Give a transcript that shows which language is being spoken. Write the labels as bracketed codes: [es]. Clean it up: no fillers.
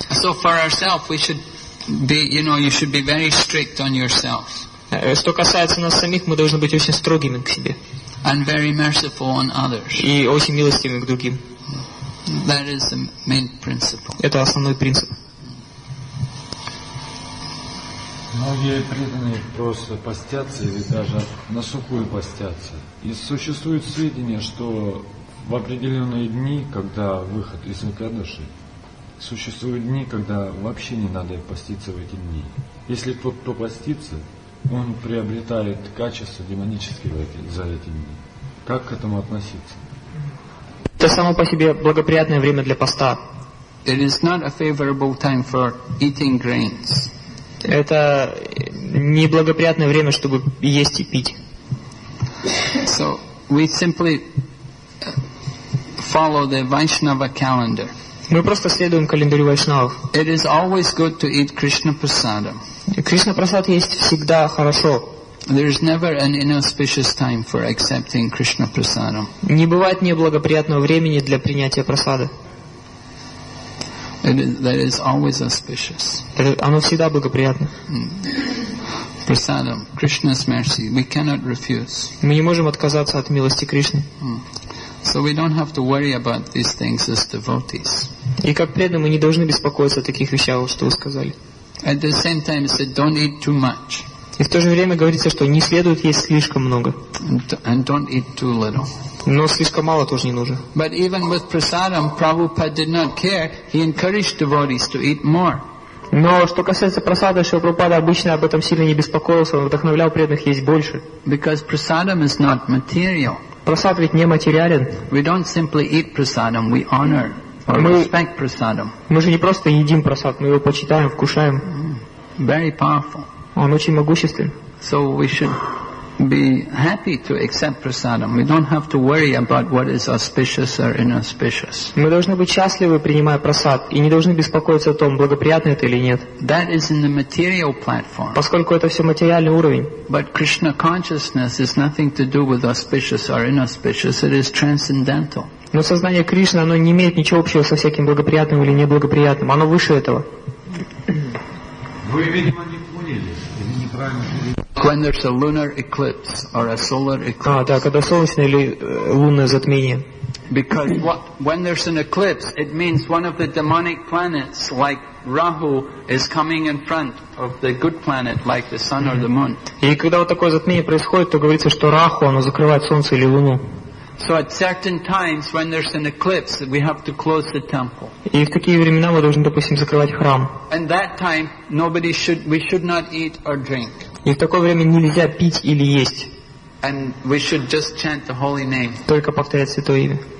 [en] So for ourselves, we should be, you know, you should be very strict on yourself. [ru] Что касается нас самих, мы должны быть очень строгими к себе. [en] And very merciful on others. [ru] И очень милостивыми к другим. [en] That is the main principle. [ru] Это основной принцип. Многие преданные просто постятся или даже на сухую постятся. И существует сведение, что в определенные дни, когда выход из Экадыши, существуют дни, когда вообще не надо поститься в эти дни. Если тот, кто постится, он приобретает качество демонического за эти дни. Как к этому относиться? Это само по себе благоприятное время для поста. [en] It is not a favorable time for eating grains. [ru] это неблагоприятное время, чтобы есть и пить. [en] So we simply follow the Vaishnava calendar. [ru] Мы просто следуем календарю вайшнавов. [en] It is always good to eat Krishna prasadam. [ru] Кришна прасад есть всегда хорошо. [en] There is never an inauspicious time for accepting Krishna prasadam. [ru] Не бывает неблагоприятного времени для принятия прасада. [en] That is always auspicious. [ru] Оно всегда благоприятно. [en] Prasadam, Krishna's mercy, we cannot refuse. [ru] Мы не можем отказаться от милости Кришны. [en] So we don't have to worry about these things as devotees. [ru] И как преданные мы не должны беспокоиться о таких вещах, что вы сказали. [en] At the same time, it said, don't eat too much. [ru] И в то же время говорится, что не следует есть слишком много. [en] And don't eat too little. [ru] Но слишком мало тоже не нужно. [en] But even with prasadam, Prabhupada did not care. He encouraged devotees to eat more. [ru] Но что касается прасада, Шрила Прабхупада обычно об этом сильно не беспокоился, он вдохновлял преданных есть больше. [en] Because prasadam is not material. [ru] Прасад ведь не материален. [en] We don't simply eat prasadam, we honor or respect prasadam. [ru] Мы же не просто едим прасад, мы его почитаем, вкушаем. [en] Very powerful. [ru] Он очень могуществен. [en] So we should be happy to accept prasadam. We don't have to worry about what is auspicious or inauspicious. [ru] Мы должны быть счастливы, принимая прасад, и не должны беспокоиться о том, благоприятно это или нет. [en] That is in the material platform. [ru] Поскольку это все материальный уровень. [en] But Krishna consciousness is nothing to do with auspicious or inauspicious. It is transcendental. [ru] Но сознание Кришны, оно не имеет ничего общего со всяким благоприятным или неблагоприятным. Оно выше этого. Вы, видимо, не поняли, неправильно перевели. [en] When there's a lunar eclipse or a solar eclipse. [ru] А, да, когда солнечное или лунное затмение. [en] Because what, when there's an eclipse, it means one of the demonic planets, like Rahu, is coming in front of the good planet, like the sun or the moon. [ru] И когда вот такое затмение происходит, то говорится, что Раху, оно закрывает солнце или луну. [en] So at certain times, when there's an eclipse, we have to close the temple. [ru] И в такие времена мы должны, допустим, закрывать храм. [en] And that time, nobody should, we should not eat or drink. [ru] И в такое время нельзя пить или есть. Только повторять святое имя.